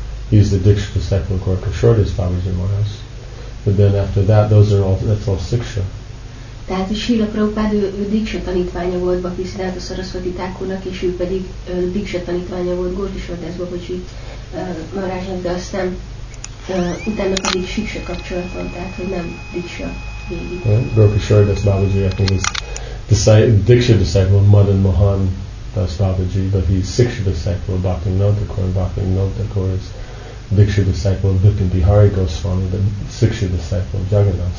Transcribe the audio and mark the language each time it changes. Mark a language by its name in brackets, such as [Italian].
[English] He's the diksha disciple of Gaura Kishore Babaji Maharaj. But then after that, those are all, that's all siksha. [Hungarian] Tehát a Srila Prabhupada, ő diksha tanítványa volt Bhaktisiddhanta Saraswati Thakurnak, és ő pedig diksha tanítványa volt Gaura Kishore Babaji Maharajnak, de aztán utána pedig siksha kapcsolat van, tehát hogy nem diksha végig. [English] Gaura Kishore Das Babaji, I think, is diksha disciple of Madan Mohan Das Babaji, but he's siksha disciple of Bhaktivinoda Kaur, and Bhaktivinoda Kaur is Diksha disciple of Bipin Bihari Goswami, the Siksha disciple of Jagannath.